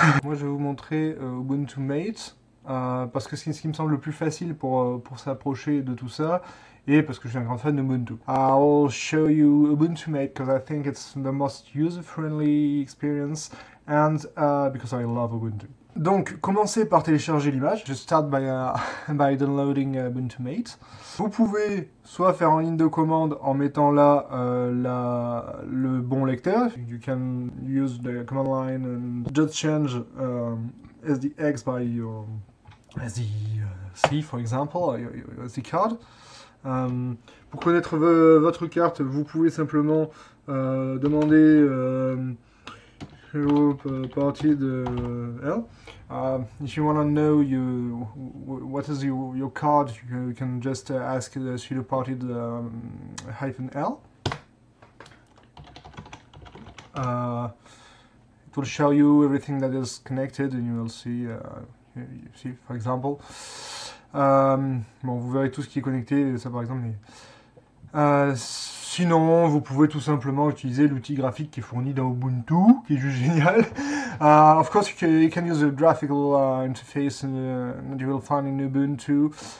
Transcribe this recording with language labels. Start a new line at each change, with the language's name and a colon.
French: Moi, je vais vous montrer Ubuntu Mate, parce que c'est ce qui me semble le plus facile pour s'approcher de tout ça, et parce que je suis un grand fan d'Ubuntu.
English: I'll show you Ubuntu Mate, because I think it's the most user-friendly experience. And because I love Ubuntu.
French: Donc, commencez par télécharger l'image.
English: Just start by downloading Ubuntu Mate.
French: Vous pouvez soit faire en ligne de commande en mettant là le bon lecteur.
English: You can use the command line and just change SDX by your SDC, for example, your SD card.
French: Pour connaître votre carte, vous pouvez simplement demander
English: if you want to know what is your card, you can just ask the pseudo party the hyphen L. It will show you everything that is connected, and you will see, for example.
French: Bon, vous verrez tout ce qui est connecté, ça par exemple. Sinon, vous pouvez tout simplement utiliser l'outil graphique qui est fourni dans Ubuntu, qui est juste génial.
English: Of course, you can use a graphical interface that you will find in Ubuntu.